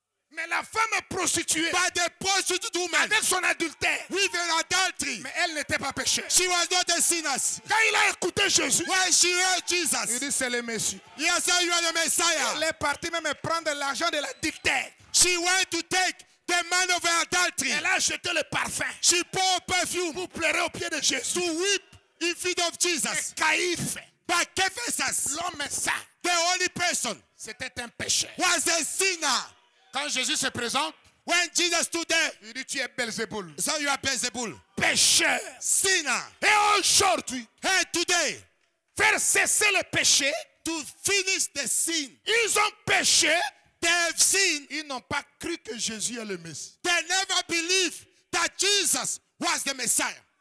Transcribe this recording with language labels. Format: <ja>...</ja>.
<fr>Mais la femme prostituée.</fr> <en>By the prostitute woman.</en> <fr>Avec son adultère.</fr> <en>With an adultery.</en> <fr>Mais elle n'était pas pécheur.</fr> <en>She was not a sinner.</en> <fr>Quand il a écouté Jésus.</fr> <en>When she heard Jesus.</en> <fr>Il dit c'est le Messie.</fr> <en>He said you are the Messiah.</en> <fr>Elle est partie même prendre l'argent de l'adultère.</fr> <en>She went to take the man of adultery.</en> <fr>Elle a acheté le parfum.</fr> <en>She poured perfume.</en> <fr>Pour pleurer aux pieds de Jésus.</fr> <en>To weep in feet of Jesus.</en> <fr>Mais Caïphe.</fr> <en>By Caiaphas.</en> <fr>L'homme saint.</fr> <en>The holy person.</en> <fr>C'était un pécheur.</fr> <en>Was a sinner.</en> <fr>Quand Jésus se présente,</fr> <en>when Jesus stood there,</en> <fr>il dit tu es Belzeboul.</fr> <en>So you are Belzeboul.</en> <fr>Pécheur.</fr> <en>Sinner.</en> <fr>Et aujourd'hui,</fr> <en>and today,</en> <fr>faire cesser le péché,</fr> <en>to finish the sin.</en> <fr>Ils ont péché,</fr> <en>they have sinned.</en> <fr>Ils n'ont pas cru que Jésus est le Messie.</fr> <en>They never believed that Jesus was the Messiah.</en>